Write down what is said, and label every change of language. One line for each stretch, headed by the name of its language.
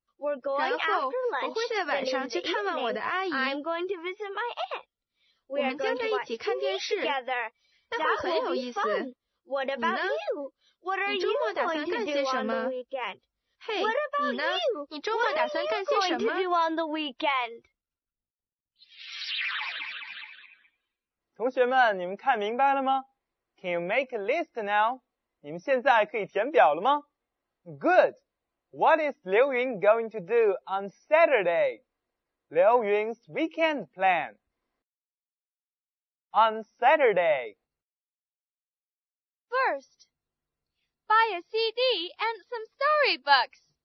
English: We're going after lunch and in the evening, I'm going to visit my aunt. We are going to watch TV together. That will be fun. What about you? What are you going to do on the weekend? Hey, what about you? What are you going to do on the weekend?
Chinese: 同学们，你们看明白了吗？
English: Can you make a list now?
Chinese: 你们现在可以填表了吗？
English: Good. What is Liu Yun going to do on Saturday? Liu Yun's weekend plan. On Saturday. First, buy a CD and some storybooks.